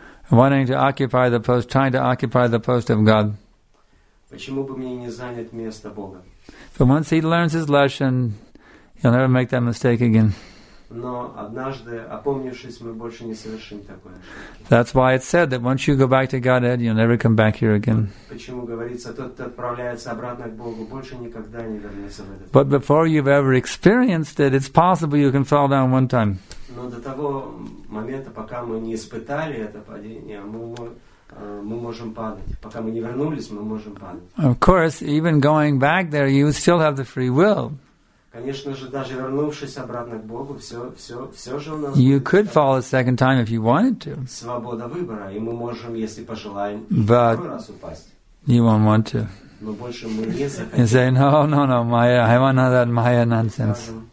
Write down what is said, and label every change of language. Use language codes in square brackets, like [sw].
[en] Wanting to occupy the post, trying to occupy the post of God. But once he learns his lesson, he'll never make that mistake again. [ru] Но однажды, опомнившись, мы больше не совершим такой ошибки. [en] That's why it's said that once you go back to Godhead, you'll never come back here again. [ru] Почему говорится, тот, кто отправляется обратно к Богу, больше никогда не вернется в этот мир. [en] But before you've ever experienced it, it's possible you can fall down one time. [ru] Но до того момента, пока мы не испытали это падение, мы можем падать. Пока мы не вернулись, мы можем падать. [en] Of course, even going back there, you still have the free will. [ru] Конечно же, даже вернувшись обратно к Богу, все же у нас. [en] You could fall a second time if you wanted to. [ru] Свобода выбора, и мы можем, если пожелаем, [en] but [ru] второй раз упасть. [en] You won't want to. [ru] Но больше мы не захотим. [en] You say, no, Maya, I want none of that Maya nonsense.